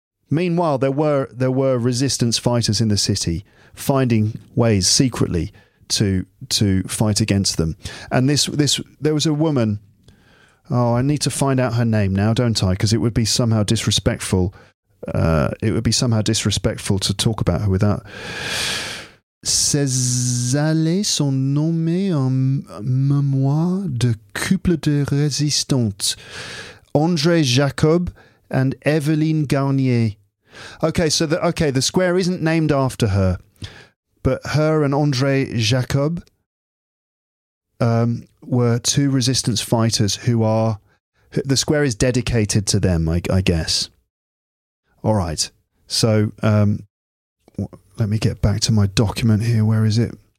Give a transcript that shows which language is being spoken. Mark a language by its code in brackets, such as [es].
[en] Meanwhile, there were resistance fighters in the city finding ways secretly to fight against them. And this there was a woman. Oh, I need to find out her name now, don't I? Because it would be somehow disrespectful. It would be somehow disrespectful to talk about her without. [fr] Ces allées sont nommées en mémoire de couple de résistants, André Jacob and Evelyne Garnier. [en] Okay, so the square isn't named after her, but her and André Jacob were two resistance fighters the square is dedicated to them, I guess. All right, so let me get back to my document here. Where is it?